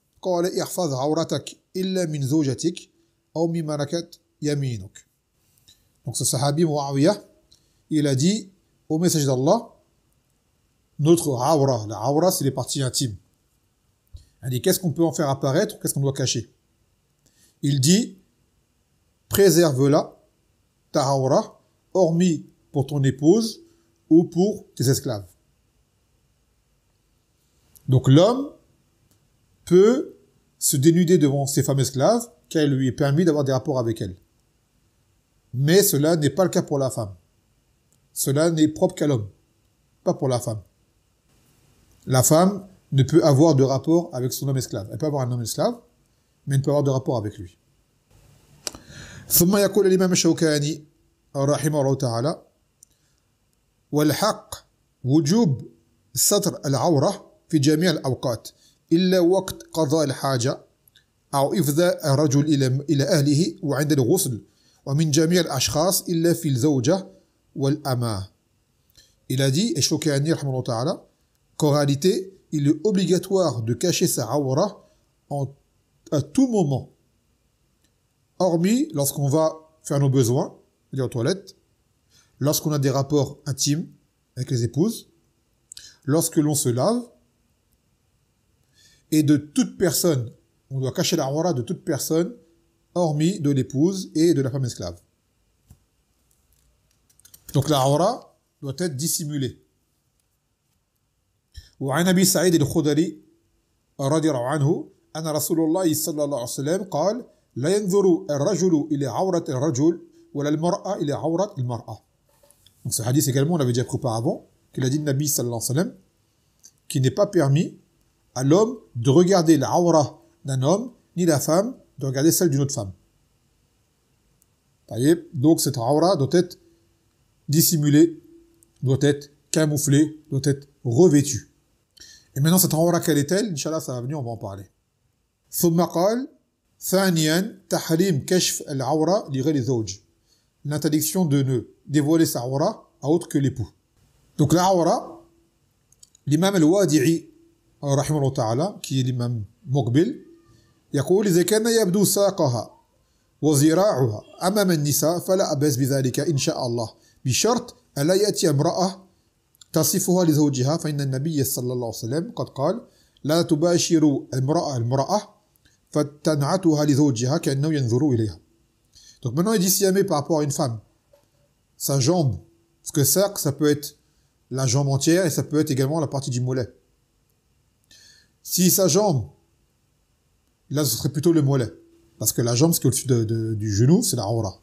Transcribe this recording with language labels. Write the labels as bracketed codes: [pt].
[ar] قال احفظ عورتك الا من زوجتك او من ملكت يمينك. [fr] Donc ce sahabi Muawiya, il a dit au messager d'Allah, notre awra, la awra c'est les parties intimes, il dit qu'est-ce qu'on peut en faire apparaître, qu'est-ce qu'on doit cacher. Il dit préserve-la, ta awra, hormis pour ton épouse ou pour tes esclaves. Donc l'homme peut se dénuder devant ses femmes esclaves, qu'elle lui ait permis d'avoir des rapports avec elle. Mais cela n'est pas le cas pour la femme. Cela n'est propre qu'à l'homme, pas pour la femme. La femme ne peut avoir de rapport avec son homme esclave. Elle peut avoir un homme esclave, mais elle ne peut avoir de rapport avec lui. [ar] ثم يقول الإمام الشوكاني رحمه الله تعالى والحق وجوب ستر العورة في جميع الأوقات إلا وقت قضاء الحاجة أو إفضاء الرجل إلى أهله وعند الغسل ومن جميع الأشخاص إلا في الزوجة والأماة. [fr] Il a dit, et Shoukani, [ar] rahmallahu ta'ala, [fr] qu'en réalité, il est obligatoire de cacher sa awra à tout moment, hormis lorsqu'on va faire nos besoins, c'est-à-dire aux toilettes, lorsqu'on a des rapports intimes avec les épouses, lorsque l'on se lave, et de toute personne On doit cacher la awra de toute personne, hormis de l'épouse et de la femme esclave. Donc la awra doit être dissimulée. [ar] وعن أبي سعيد الخدري رضي الله عنه أن رسول الله صلى الله عليه وسلم قال لا ينظر الرجل إلى عورة الرجل ولا المرأة إلى عورة المرأة. [fr] Donc ce hadith également, on l'avait déjà pris auparavant, qu'il a dit le Nabi [ar] sallallahu alayhi wa sallam, [fr] qu'il n'est pas permis à l'homme de regarder la awra d'un homme, ni la femme de regarder celle d'une autre femme. Donc cette awra doit être dissimulée, doit être camouflée, doit être revêtue. Et maintenant cette awra, quelle est-elle ? Inch'Allah, ça va venir, on va en parler. [ar] ثم قال ثانيا تحريم كشف العورة لغير الزوج. [fr] L'interdiction de ne dévoiler sa awra à autre que l'époux. Donc la awra, l'imam al-Wadi'i, rahimahullah ta'ala, qui est l'imam Muqbil, [ar] يقول إذا كان يبدو ساقها وزراعها أمام النساء فلا أبأس بذلك إن شاء الله بشرط ألا يأتي امرأة تصفها لزوجها فإن النبي صلى الله عليه وسلم قد قال لا تباشروا امرأة المرأة فتنعتها لزوجها كأنه ينظر إليها. [fr] Donc maintenant il dit si jamais par rapport à une femme, sa jambe, parce que saq, ça peut être la jambe entière et ça peut être également la partie du mollet. Si sa jambe, là ce serait plutôt le mollet, parce que la jambe, ce qui est au-dessus du genou, c'est la awra.